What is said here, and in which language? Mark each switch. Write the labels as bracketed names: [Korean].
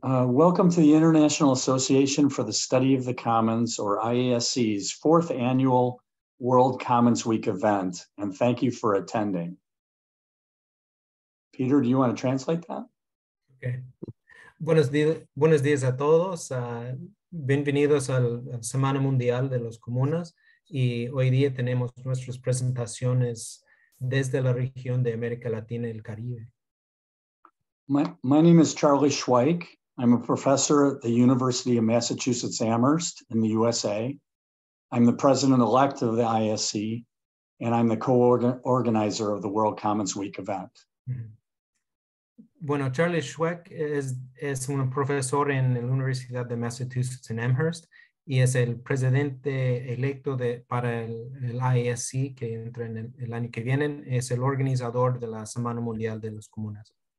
[English] Welcome to the International Association for the Study of the Commons, or IASC's, fourth annual World Commons Week event, and thank you for attending. Peter, do you want to translate that? [Spanish] Okay. Buenos días a todos. Bienvenidos a la Semana Mundial de los Comunas, y hoy día tenemos nuestras presentaciones desde la región de América Latina y el Caribe. [English] My name is Charlie Schweik. I'm a professor at the University of Massachusetts Amherst in the USA. I'm the president-elect of the ISC, and I'm the co-organizer of the World Commons Week event. [Spanish] Bueno, Charlie Schweik es un profesor en la Universidad de Massachusetts en Amherst, y es el presidente electo para el ISC, que entra en el año que viene. Es el organizador de la Semana Mundial de las Comunas.